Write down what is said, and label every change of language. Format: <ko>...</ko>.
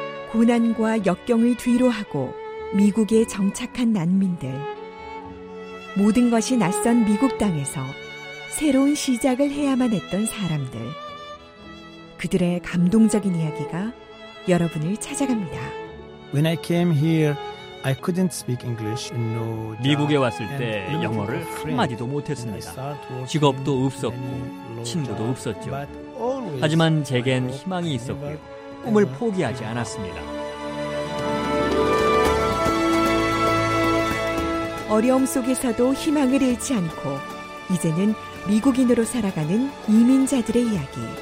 <ko>고난과 역경을 뒤로하고 미국에 정착한 난민들. 모든 것이 낯선 미국 땅에서 새로운 시작을 해야만 했던 사람들. 그들의 감동적인 이야기가 여러분을 찾아갑니다.</ko> <en>When I came here, I couldn't speak English and no</en> <ko>미국에 왔을 때 영어를 한마디도 못했습니다. 직업도 없었고 친구도 없었죠. 하지만 제겐 희망이 있었고 꿈을 포기하지 않았습니다. 어려움 속에서도 희망을 잃지 않고 이제는 미국인으로 살아가는 이민자들의 이야기.</ko>